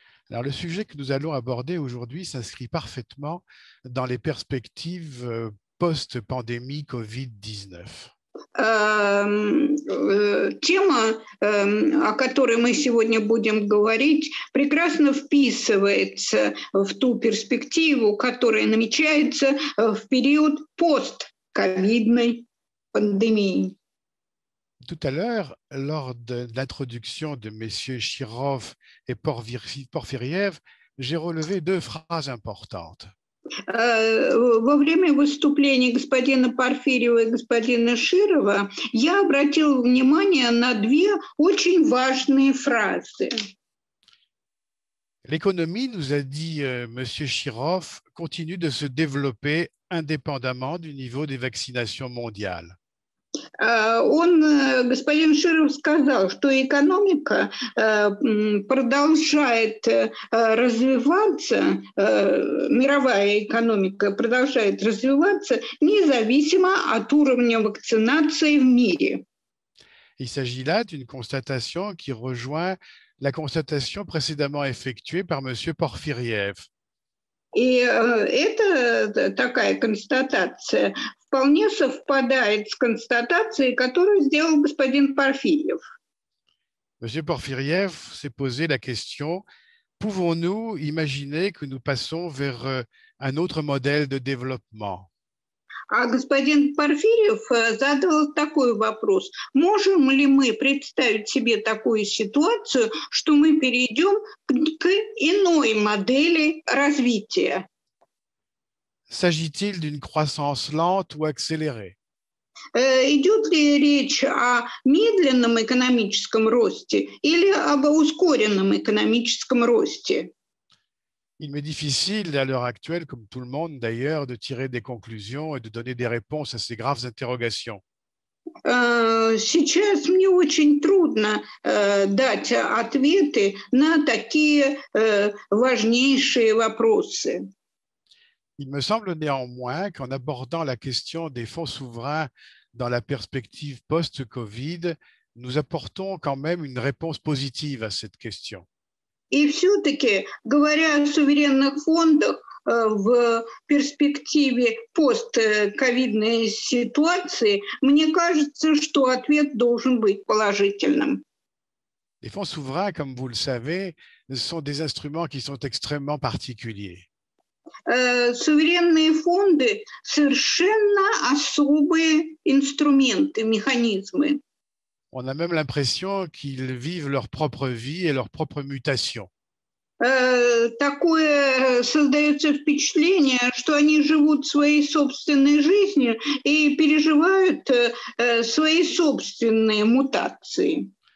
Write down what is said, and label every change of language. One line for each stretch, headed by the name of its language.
French: Alors, le sujet que nous allons aborder aujourd'hui s'inscrit parfaitement dans les perspectives post-pandémie COVID-19.
Russian: Тема, о которой мы сегодня будем говорить, прекрасно вписывается в ту перспективу, которая намечается в период постковидной пандемии.
French: Tout à l'heure, lors de l'introduction de messieurs Chirov et Porfiriev, j'ai relevé deux phrases importantes.
Russian: Во время выступления господина Порфирьева и господина Широва я обратил внимание на две очень важные фразы.
French: L'économie, nous a dit monsieur Chirov, continue de se développer indépendamment du niveau des vaccinations mondiales.
Russian: Он, господин Широв, сказал, что экономика продолжает развиваться, мировая экономика продолжает развиваться, независимо от уровня вакцинации в мире.
French: Il s'agit là d'une constatation qui rejoint la constatation précédemment effectuée par monsieur Porfiriev.
Russian: И это такая констатация вполне совпадает с констатацией, которую сделал господин Порфирьев.
French: Monsieur Porfiriev s'est posé la question: pouvons-nous imaginer que nous passons vers un autre modèle de développement?
Russian: А господин Порфирьев задал такой вопрос: можем ли мы представить себе такую ситуацию, что мы перейдем к иной модели развития?
French: S'agit-il d'une croissance lente ou accélérée?
Russian: Идет ли речь о медленном экономическом росте или об ускоренном экономическом росте?
French: Il m'est difficile à l'heure actuelle, comme tout le monde d'ailleurs, de tirer des conclusions et de donner des réponses à ces graves interrogations.
Russian: Сейчас мне очень трудно дать ответы на такие важнейшие вопросы.
French: Il me semble néanmoins qu'en abordant la question des fonds souverains dans la perspective post-COVID, nous apportons quand même une réponse positive à cette question.
Russian: И все-таки, говоря о суверенных фондах в перспективе постковидной ситуации, мне кажется, что ответ должен быть положительным.
French: Les fonds souverains, comme vous le savez, sont des instruments qui sont extrêmement particuliers.
Russian: Суверенные фонды – совершенно особые инструменты, механизмы.
French: On a même l'impression qu'ils vivent leur propre vie et leur propre mutation.
Russian: Такое создается впечатление, что они живут своей собственной жизнью и переживают свои собственные мутации.